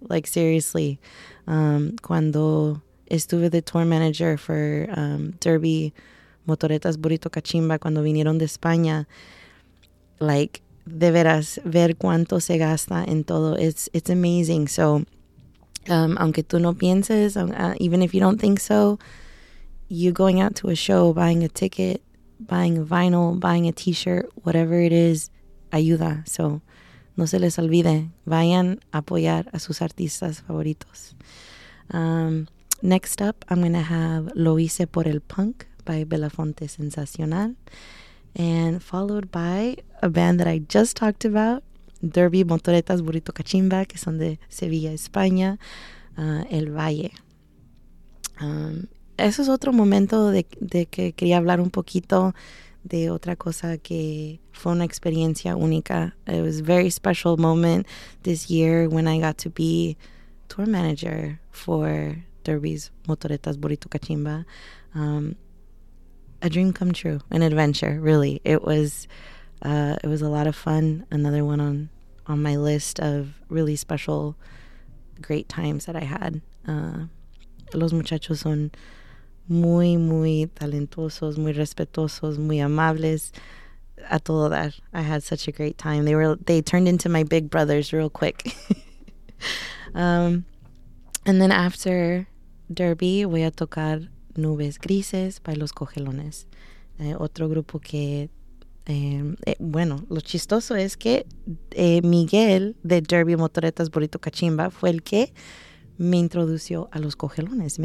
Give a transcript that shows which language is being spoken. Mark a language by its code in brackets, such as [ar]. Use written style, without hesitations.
[en] Like, seriously, [es] cuando estuve [en] the tour manager for [es] Derby Motoretas Burrito Cachimba, cuando vinieron de España, [en] like, [es] de veras, ver cuánto se gasta en todo, [en] it's amazing. So, [es] aunque tú no pienses, [en] even if you don't think so, you going out to a show, buying a ticket, buying a vinyl, buying a t-shirt, whatever it is, [es] ayuda. So, no se les olvide, vayan a apoyar a sus artistas favoritos. [en] Next up, I'm going to have Lo Hice Por El Punk by Belafonte Sensacional, and followed by a band that I just talked about, Derby Motoretas Burrito Cachimba, [es] que son de Sevilla, [en] España, El Valle. [es] Eso es otro momento de que quería hablar un poquito de otra cosa que fue una experiencia única. [en] It was a very special moment this year when I got to be tour manager for Derby's Motoretas Burrito Cachimba. A dream come true, an adventure, really. It was a lot of fun. Another one on my list of really special, great times that I had. [es] Los muchachos son muy, muy talentosos, muy respetuosos, muy amables. A todo dar, [en] I had such a great time. They turned into my big brothers real quick. And then after [es] Derby, voy a tocar Nubes Grises [en] by [es] Los Cogelones, otro grupo que, bueno, lo chistoso es que Miguel de Derby Motoretas Burrito Cachimba fue el que me introdució a Los Cogelones.